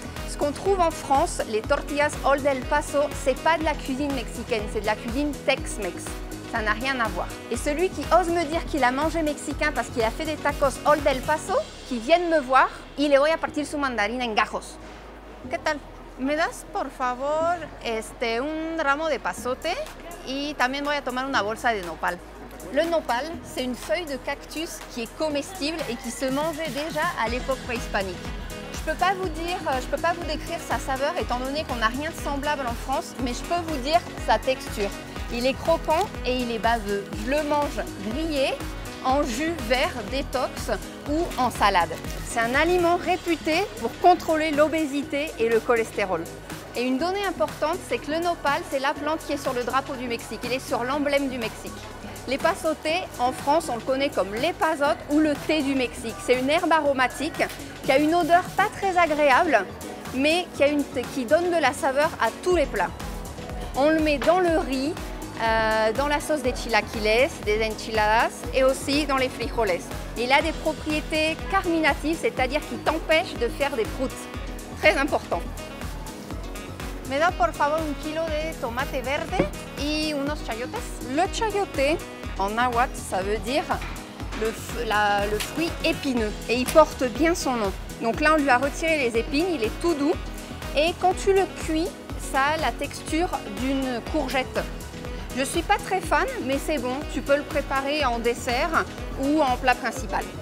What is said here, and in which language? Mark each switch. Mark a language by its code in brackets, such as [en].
[fr] Ce qu'on trouve en France, les tortillas Old del Paso, c'est pas de la cuisine mexicaine, c'est de la cuisine Tex-Mex. Ça n'a rien à voir. Et celui qui ose me dire qu'il a mangé mexicain parce qu'il a fait des tacos Old del Paso, qui viennent me voir, [es] y le voy a partir su mandarina en gajos. ¿Qué tal? ¿Me das, por favor, un ramo de pasote? Y también voy a tomar una bolsa de nopal. [fr] Le nopal, c'est une feuille de cactus qui est comestible et qui se mangeait déjà à l'époque préhispanique. Je peux pas vous décrire sa saveur étant donné qu'on n'a rien de semblable en France, mais je peux vous dire sa texture. Il est croquant et il est baveux. Je le mange grillé, en jus vert, détox ou en salade. C'est un aliment réputé pour contrôler l'obésité et le cholestérol. Et une donnée importante, c'est que le nopal, c'est la plante qui est sur le drapeau du Mexique. Il est sur l'emblème du Mexique. Les pasotes, en France, on le connaît comme l'épazote ou le thé du Mexique. C'est une herbe aromatique qui a une odeur pas très agréable, mais qui donne de la saveur à tous les plats. On le met dans le riz, dans la sauce des chilaquiles, des enchiladas et aussi dans les frijoles. Il a des propriétés carminatives, c'est-à-dire qu'il t'empêche de faire des proutes. Très important. [es] Me da por favor un kilo de tomate verde y unos chayotes. [fr] Le chayote, en nahuatl, ça veut dire le fruit épineux et il porte bien son nom. Donc là, on lui a retiré les épines, il est tout doux. Et quand tu le cuis, ça a la texture d'une courgette. Je ne suis pas très fan, mais c'est bon. Tu peux le préparer en dessert ou en plat principal.